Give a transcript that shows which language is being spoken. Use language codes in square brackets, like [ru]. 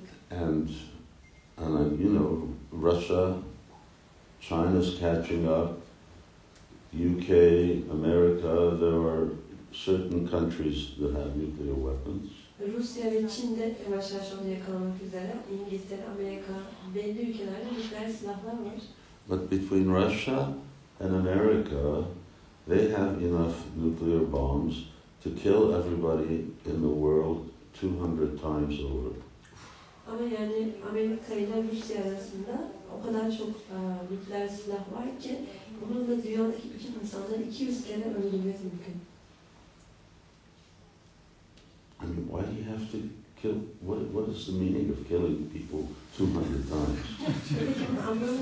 [en] And you know, Russia, China's catching up, UK, America, there are certain countries that have nuclear weapons. [tr] Rusya ve Çin de yavaş yavaş onu yakalamak üzere, İngiltere, Amerika, belli ülkelerde nükleer silahlar var. [en] But between Russia and America, they have enough nuclear bombs to kill everybody in the world 200 times over. [tr] Ama yani Amerika ile Rusya arasında o kadar çok nükleer silah var ki bunun da dünyadaki bütün insanları 200 kere öldürmesi mümkün. [en] I mean, why do you have to kill? What is the meaning of killing people 200 times?